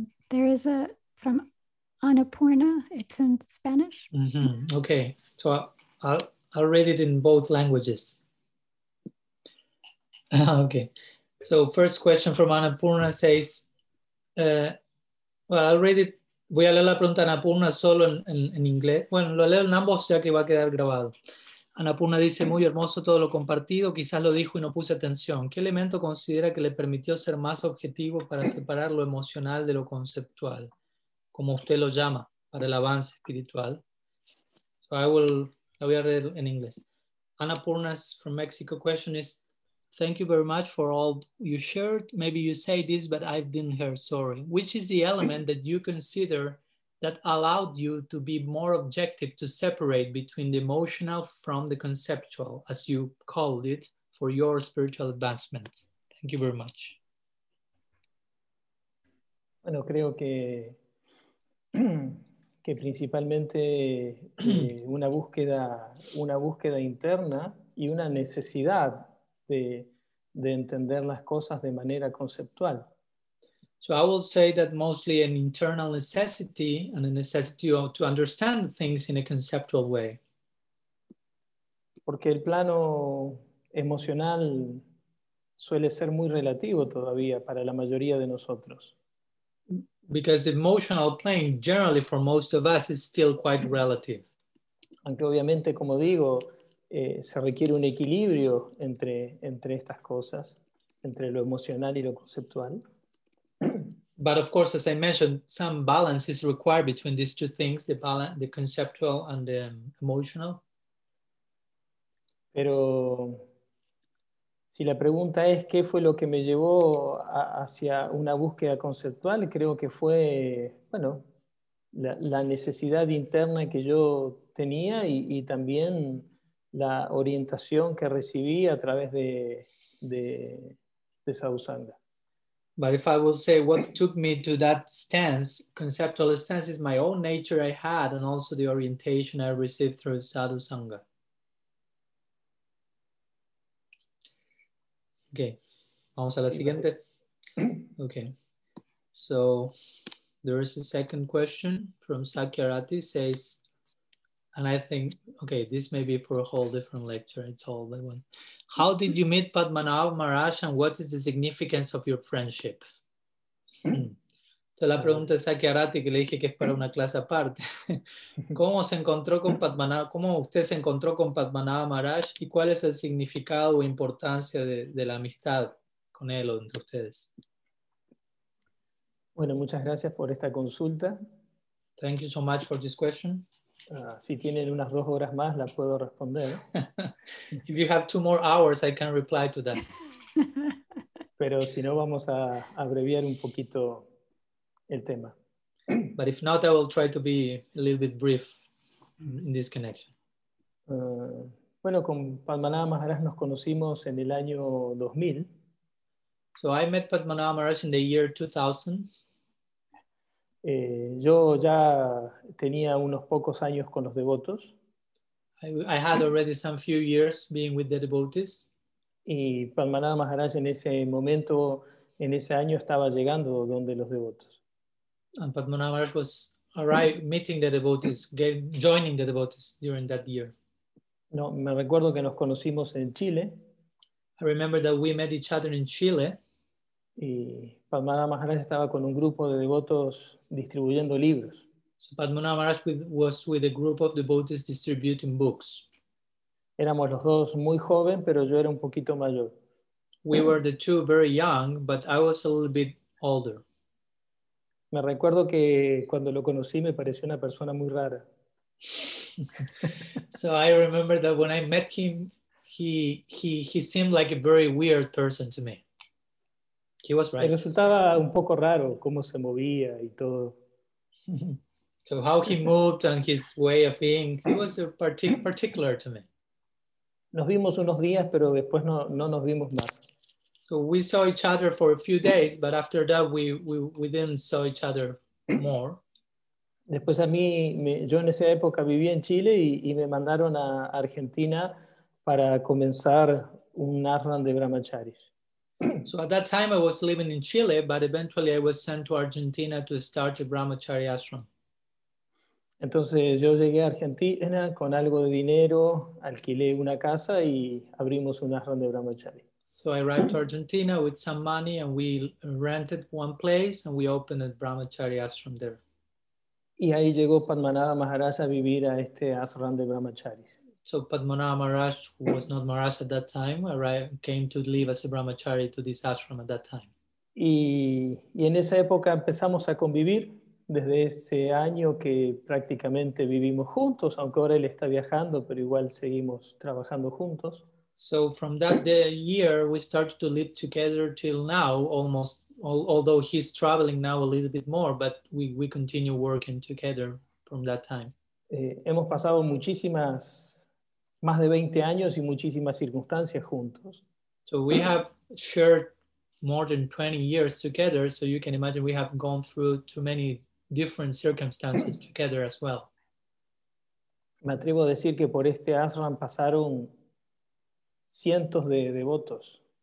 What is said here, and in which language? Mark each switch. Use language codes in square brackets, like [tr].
[en] There is a from Annapurna. It's in Spanish. Mm-hmm. Okay, so I'll read it in both languages. Okay, so first question from Annapurna says, "Well, I'll read it." [es] Voy a leer la pregunta a Annapurna solo en inglés. Bueno, lo leo en ambos ya que va a quedar grabado. Annapurna dice, muy hermoso todo lo compartido, quizás lo dijo y no puse atención. ¿Qué elemento considera que le permitió ser más objetivo para separar lo emocional de lo conceptual, como usted lo llama, para el avance espiritual? So la voy a leer en inglés. [en] Annapurna's from Mexico question is, thank you very much for all you shared. Maybe you say this, but I didn't hear, sorry. Which is the element that you consider that allowed you to be more objective to separate between the emotional from the conceptual, as you called it, for your spiritual advancement? Thank you very much. [es] Bueno, creo que principalmente una búsqueda interna y una necesidad de entender las cosas de manera conceptual. [en] So I will say that mostly an internal necessity and a necessity to understand things in a conceptual way. [es] Porque el plano emocional suele ser muy relativo todavía para la mayoría de nosotros. [en] Because the emotional plane generally for most of us is still quite relative. [es] Aunque obviamente, como digo, se requiere un equilibrio entre estas cosas, entre lo emocional y lo conceptual. [en] But of course, as I mentioned, some balance is required between these two things, the conceptual and the emotional. [es] Pero si la pregunta es qué fue lo que me llevó hacia una búsqueda conceptual, creo que fue, bueno, la necesidad interna que yo tenía y también la orientación que recibí a través de Sadhusanga. [en] But if I will say what took me to that stance, conceptual stance, is my own nature I had and also the orientation I received through Sadhusanga. [es] Okay, vamos a la siguiente. [en] Okay, so there is a second question from Sakyarati, says, and I think, okay, this may be for a whole different lecture, it's all the one. How did you meet Padmanabha Maharaj and what is the significance of your friendship? [es] So la pregunta de Sakyarati, que le dije que es para una clase aparte. ¿Cómo se encontró con Padmanabha? ¿Cómo usted se encontró con Padmanabha Maharaj y cuál es el significado o importancia de la amistad con él o entre ustedes? Bueno, muchas gracias por esta consulta. [en] Thank you so much for this question. [es] Si tienen unas dos horas más, la puedo responder. [en] If you have two more hours, I can reply to that. [es] Pero si no, vamos a abreviar un poquito el tema. [en] But if not, I will try to be a little bit brief in this connection. [es] Bueno, con Padmanabha Maharaj nos conocimos en el año 2000. [en] So I met Padmanabha Maharaj in the year 2000. [es] Yo ya tenía unos pocos años con los devotos. [en] I had already some few years being with the devotees. [es] Y Padmanabha Maharaj en ese momento, en ese año, estaba llegando donde los devotos. [en] And Padmanabha Maharaj was arrived, meeting the devotees, joining the devotees during that year. [es] No, me recuerdo que nos conocimos en Chile. [en] I remember that we met each other in Chile. [es] Y Padmanabha Maharaj estaba con un grupo de devotos distribuyendo libros. [en] So Padmanabha Maharaj was with a group of devotees distributing books. [es] Éramos los dos muy joven, pero yo era un poquito mayor. [en] We were the two very young, but I was a little bit older. [es] Me recuerdo que cuando lo conocí me pareció una persona muy rara. [en] So I remember that when I met him, he seemed like a very weird person to me. He was right. [es] Resultaba un poco raro cómo se movía y todo. [en] So how he moved and his way of being, he was particular to me. [es] Nos vimos unos días, pero después no nos vimos más. [en] So we saw each other for a few days, but after that we didn't saw each other more. [es] Después a mí, yo en esa época vivía en Chile y me mandaron a Argentina para comenzar un ashram de brahmacharis. [en] So at that time I was living in Chile, but eventually I was sent to Argentina to start a brahmacharya ashram. [es] Entonces yo llegué a Argentina con algo de dinero, alquilé una casa y abrimos un ashram de brahmachari. [en] So I arrived to Argentina with some money and we rented one place and we opened a brahmacharya ashram there. [es] Y ahí llegó Padmanabha Maharaj a vivir a este ashram de brahmacharis. [en] So Padmanabha Maharaj, who was not Maharaj at that time, arrived, came to live as a brahmachari to this ashram at that time. [es] Y en esa época empezamos a convivir desde ese año que prácticamente vivimos juntos, aunque ahora él está viajando, pero igual seguimos trabajando juntos. [en] So from that year we started to live together till now, almost, although he's traveling now a little bit more, but we continue working together from that time. [es] Hemos pasado muchísimas más de 20 años y muchísimas circunstancias juntos. [en] So we have shared more than 20 years together, so you can imagine we have gone through too many different circumstances together as well. [es] Me atrevo a decir que por este ashram pasaron cientos de devotos.